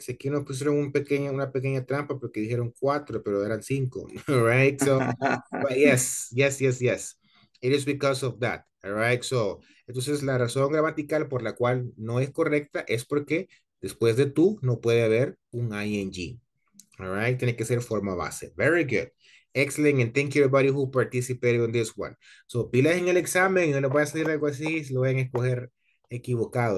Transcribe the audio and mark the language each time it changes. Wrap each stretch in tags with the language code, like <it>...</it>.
<es>Sé que nos pusieron una pequeña trampa porque dijeron cuatro, pero eran cinco.</es> <en>All right. So, yes. It is because of that. All right.</en> <es>So, entonces la razón gramatical por la cual no es correcta es porque después de tú no puede haber un ing.</es> <en>All right.</en> <es>Tiene que ser forma base.</es> <en>Very good. Excellent. And thank you everybody who participated in this one.</en> <es>So, pilas en el examen y no le voy a hacer algo así, si lo van a escoger equivocado.</es>